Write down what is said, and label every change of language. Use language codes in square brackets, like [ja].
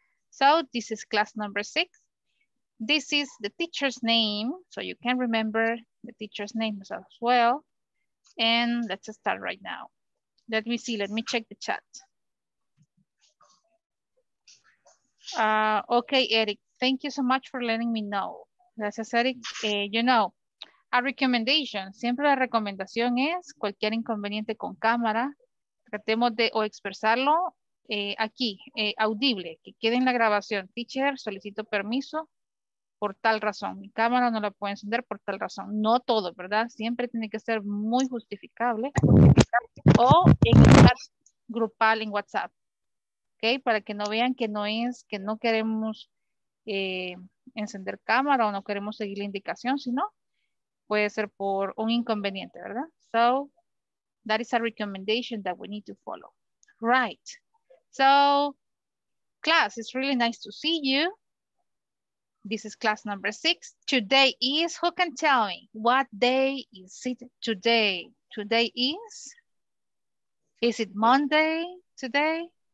[en] So this is class number 6. This is the teacher's name, so you can remember the teacher's name as well. And let's start right now. Let me see, let me check the chat. Okay, Eric, thank you so much for letting me know. [es] Gracias, [en] Eric. You know, a recommendation. [es] Siempre la recomendación es cualquier inconveniente con cámara. Tratemos de o expresarlo aquí, audible, que quede en la grabación. Teacher, solicito permiso por tal razón. Mi cámara no la puede encender por tal razón. No todo, ¿verdad? Siempre tiene que ser muy justificable. O en el chat grupal en WhatsApp. Okay, para que no vean que no es, que no queremos encender cámara o no queremos seguir la indicación, sino puede ser por un inconveniente, ¿verdad? [en] So, that is a recommendation that we need to follow. Right. So, class, it's really nice to see you. This is class number 6. Today is, who can tell me? What day is it today? Today is it Monday today?